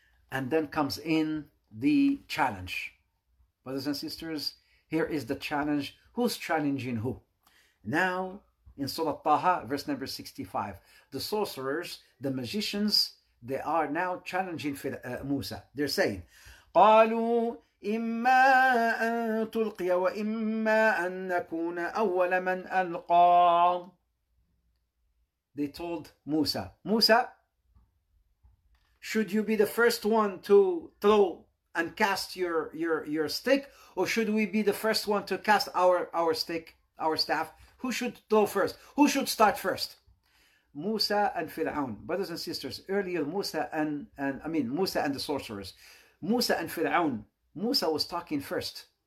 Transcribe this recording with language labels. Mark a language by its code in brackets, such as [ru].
[en] And then comes in the challenge. Brothers and sisters, here is the challenge. Who's challenging who? Now, in Surah Taha, verse number 65, the sorcerers, the magicians, they are now challenging Musa. They're saying, [ar] قَالُوا إِمَّا أَن تُلْقِيَ وَإِمَّا أَن نَكُونَ أَوَّلَ مَنْ أَلْقَى. [en] They told Musa, should you be the first one to throw and cast your stick, or should we be the first one to cast our stick, our staff? Who should throw first? Who should start first? Musa and Fir'aun, brothers and sisters, earlier Musa and the sorcerers, Musa and Fir'aun, Musa was talking first.